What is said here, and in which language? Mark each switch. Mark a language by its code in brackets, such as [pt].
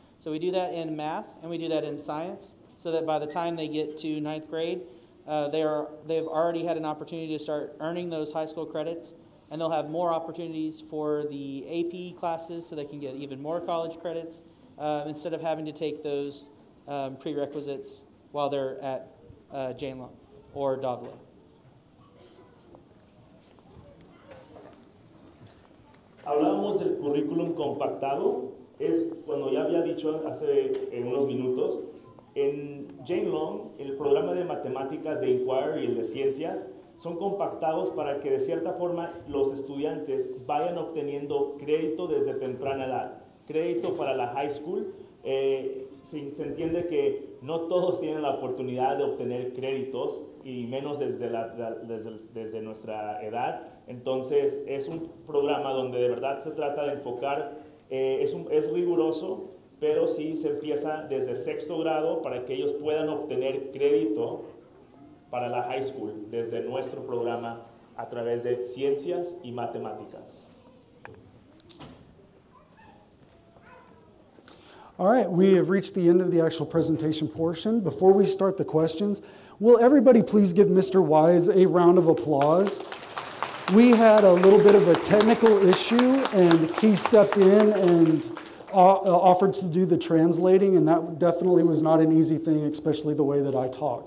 [en] So we do that in math and we do that in science, so that by the time they get to ninth grade, they've already had an opportunity to start earning those high school credits, and they'll have more opportunities for the AP classes so they can get even more college credits instead of having to take those prerequisites while they're at Jane Long or Davila. [es] Hablamos del currículum compactado, es cuando ya había dicho hace en unos minutos, en Jane Long, el programa de matemáticas de Inquire y el de ciencias son compactados para que de cierta forma los estudiantes vayan obteniendo crédito desde temprana edad, crédito para la high school, se entiende que no todos tienen la oportunidad de obtener créditos y menos desde la desde nuestra edad. Entonces es un programa donde de verdad se trata de enfocar, es riguroso, pero sí se empieza desde sexto grado para que ellos puedan obtener crédito para la high school desde nuestro programa a través de ciencias y matemáticas. [en] All right, we have reached the end of the actual presentation portion. Before we start the questions, will everybody please give Mr. Wise a round of applause? We had a little bit of a technical issue, and he stepped in and offered to do the translating, and that definitely was not an easy thing, especially the way that I talk.